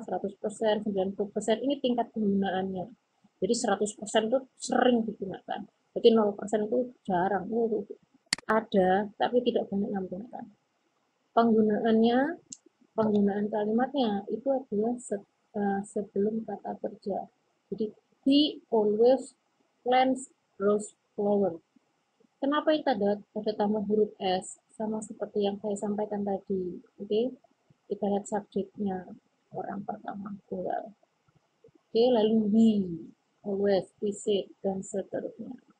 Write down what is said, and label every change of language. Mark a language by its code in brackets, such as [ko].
[id] 100%, 90%, ini tingkat penggunaannya. Jadi 100% itu sering digunakan. Berarti 0% itu jarang. Ada, tapi tidak banyak yang menggunakan. Penggunaannya, penggunaan kalimatnya, itu adalah sebelum kata kerja. [en] Jadi, he always plants rose flower. [id] Kenapa itu ada tambah huruf S? Sama seperti yang saya sampaikan tadi. Oke, kita lihat subjeknya. Orang pertama, plural. Oke, lalu [en] we, always, visit, [id] dan seterusnya.